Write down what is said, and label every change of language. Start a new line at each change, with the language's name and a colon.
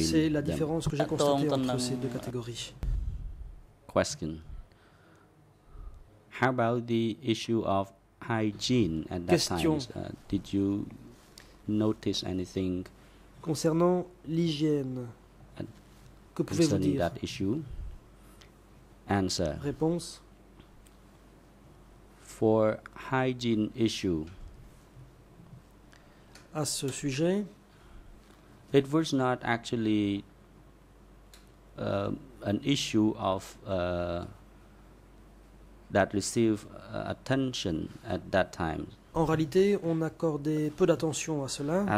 French: c'est la différence que j'ai constatée entre ces deux catégories. Question.
English: How about the issue of hygiene at that
French: question.
English: Time? Did you notice anything
French: concernant l'hygiène? Que pouvez-vous dire?
English: That issue? Answer.
French: Réponse.
English: For hygiene issue.
French: À ce sujet.
English: It was not actually an issue of that received attention at that time.
French: En réalité, on accordait peu d'attention à cela à l'époque.